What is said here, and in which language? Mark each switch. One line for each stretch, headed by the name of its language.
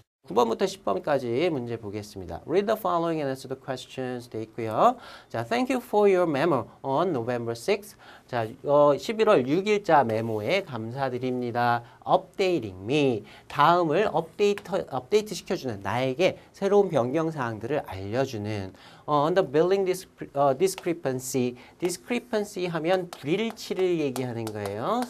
Korean: 9번부터 10번까지 문제 보겠습니다.
English: Read the following and answer the questions
Korean: 돼 있고요. 자,
English: thank you for your memo on November 6th.
Korean: 자, 11월 6일자 메모에 감사드립니다.
English: Updating me.
Korean: 다음을 업데이트 시켜주는 나에게 새로운 변경 사항들을 알려주는.
English: On the billing discrepancy. Discrepancy
Korean: 하면 불일치를 얘기하는 거예요.